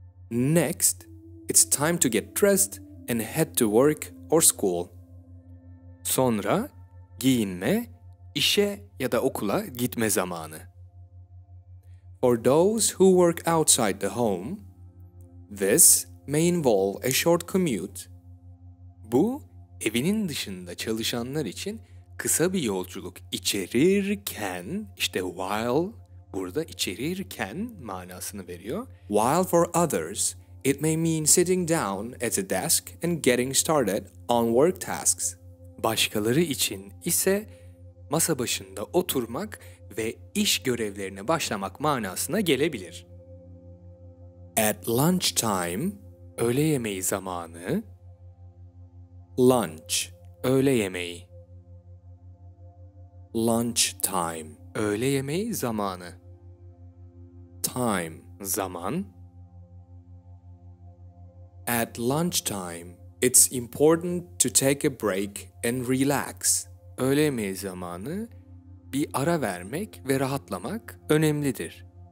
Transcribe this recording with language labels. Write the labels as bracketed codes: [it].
[en] Next, it's time to get dressed and head to work or school. [tr] Sonra, giyinme, işe ya da okula gitme zamanı. [en] For those who work outside the home, this may involve a short commute. [tr] Bu, evinin dışında çalışanlar için kısa bir yolculuk içerirken, işte while burada içerirken manasını veriyor. [en] While for others, it may mean sitting down at a desk and getting started on work tasks. [tr] Başkaları için ise masa başında oturmak ve iş görevlerine başlamak manasına gelebilir. [en] At lunch time, [tr] öğle yemeği zamanı. Lunch, öğle yemeği. [en] Lunch time, [tr] öğle yemeği zamanı. Time, zaman. [en] At lunch time, it's important to take a break and relax. [tr] Öğle yemeği zamanı, bir ara vermek ve rahatlamak önemlidir.